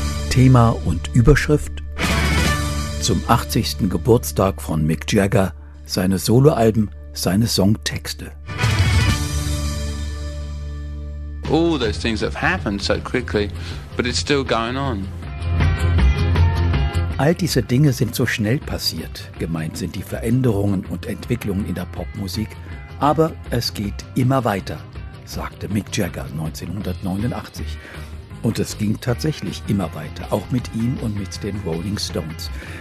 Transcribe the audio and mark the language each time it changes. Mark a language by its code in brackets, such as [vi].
[de] Thema und Überschrift: Zum 80. Geburtstag von Mick Jagger, seine Soloalben, seine Songtexte. [en] All those things have happened so quickly, but it's still going on. [de] All diese Dinge sind so schnell passiert. Gemeint sind die Veränderungen und Entwicklungen in der Popmusik. Aber es geht immer weiter, sagte Mick Jagger 1989. Und es ging tatsächlich immer weiter, auch mit ihm und mit den Rolling Stones.